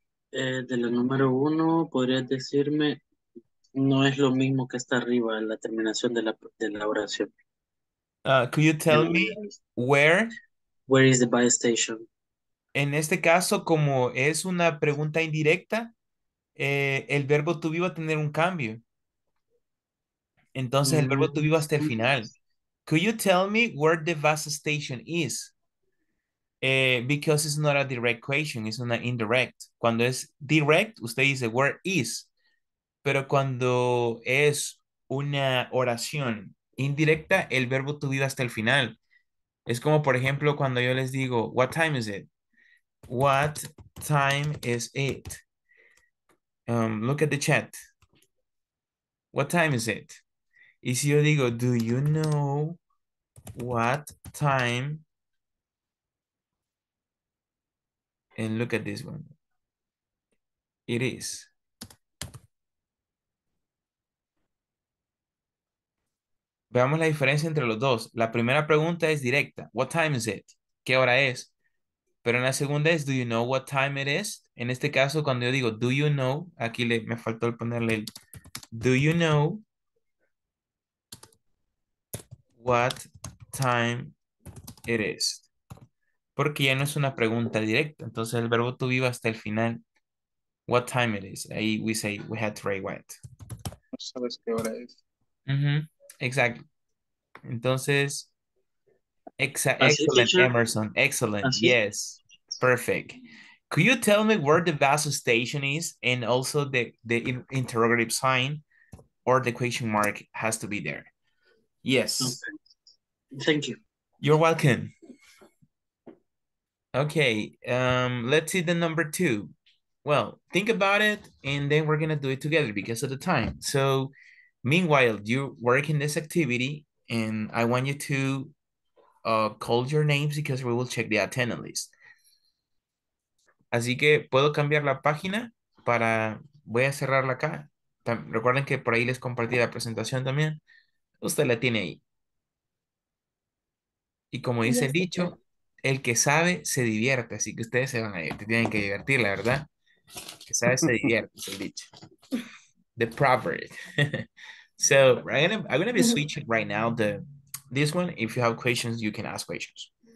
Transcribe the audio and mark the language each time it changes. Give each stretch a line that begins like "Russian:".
Spanish: De la número uno, ¿podrías decirme, no es lo mismo que está arriba, la terminación de la oración?
English: Could you tell me where? Where is the bus station?
Spanish: En este caso, como es una pregunta indirecta, el verbo to be va a tener un cambio. Entonces, mm-hmm. el verbo to be va hasta el final.
English: Could you tell me where the bus station is? Because it's not a direct question, it's not an indirect.
Spanish: Cuando es direct, usted dice
English: where is.
Spanish: Pero cuando es una oración indirecta, el verbo to be va hasta el final. Es como, por ejemplo, cuando yo les digo,
English: what time is it?
Spanish: What time is it?
English: Look at the chat. What time is it?
Spanish: Y si yo digo,
English: do you know what time? And look at this one. It is.
Spanish: Veamos la diferencia entre los dos. La primera pregunta es directa.
English: What time is it?
Spanish: ¿Qué hora es? Pero en la segunda es,
English: do you know what time it is?
Spanish: En este caso, cuando yo digo, do you know, aquí me faltó ponerle el, do you know what time it is? Porque ya no es una pregunta directa. Entonces, el verbo to be hasta el final.
English: What time it is? Ahí we say, we had to write what.
Spanish: No sabes qué hora es. Exacto. Entonces,
English: excellent, teacher. Emerson. Excellent.
Spanish: Así.
English: Yes. Perfect. Could you tell me where the bus station is and also the interrogative sign or the question mark has to be there? Yes. Okay. Thank you. You're welcome. Okay. Let's see the number two. Well, think about it and then we're going to do it together because of the time. So meanwhile, you work in this activity and I want you to call your names because we will check the attendance list.
Spanish: Así que puedo cambiar la página para, voy a cerrarla acá. Recuerden que por ahí les compartí la presentación también. Usted la tiene ahí. Y como dice el dicho, el que sabe se divierte. Así que ustedes se van a ir, te tienen que divertir, la verdad. El que sabe se divierte, es el dicho.
English: The proverb. So, I'm gonna be switching right now this one. If you have questions, you can ask questions.